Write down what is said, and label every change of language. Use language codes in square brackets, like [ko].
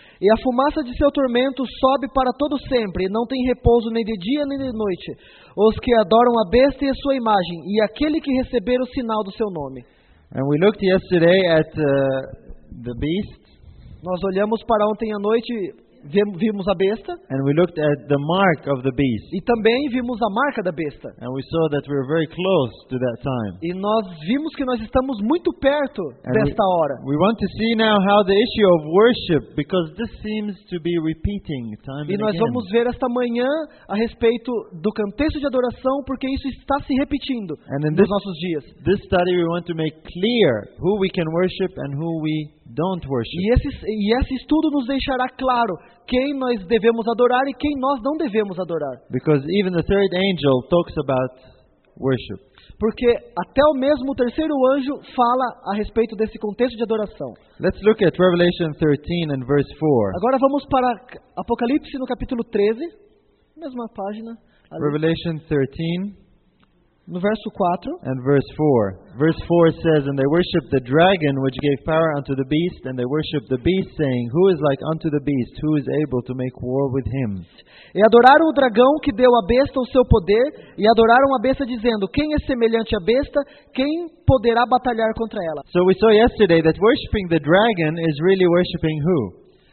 [pt] E a fumaça de seu tormento sobe para todo sempre, e não tem repouso nem de dia nem de noite, os que adoram a besta e a sua imagem, e aquele que receber o sinal do seu nome. [en] And we looked yesterday at the beast. [pt] Nós olhamos para ontem à noite vimos a besta. [en] And we looked at the mark of the beast. [pt] E também vimos a marca da besta. [en] And we saw that we were very close to that time. [pt] E nós vimos que nós estamos muito perto desta hora. [en] We want to see now how the issue of worship, because this seems to be repeating time and again. [pt] E nós vamos ver esta manhã a respeito do contexto de adoração, porque isso está se repetindo nos nossos dias. [en] This study we want to make clear who we can worship and who we don't worship. [pt] E esse estudo nos deixará claro quem nós devemos adorar e quem nós não devemos adorar. [en] Because even the third angel talks about worship. [pt] Porque até o mesmo terceiro anjo fala a respeito desse contexto de adoração. [en] Let's look at Revelation 13 and verse 4. [pt] Agora vamos para Apocalipse no capítulo 13, mesma página. Ali. Revelation 13. No verso 4. [en] And verse 4. Verse 4 says, and they worshiped the dragon which gave power unto the beast, and they worshiped the beast, saying, who is like unto the beast? Who is able to make war with him? [pt] E adoraram o dragão que deu à besta o seu poder, e adoraram a besta dizendo, quem é semelhante à besta? Quem poderá batalhar contra ela? [en] So we saw yesterday that worshiping the dragon is really worshiping who?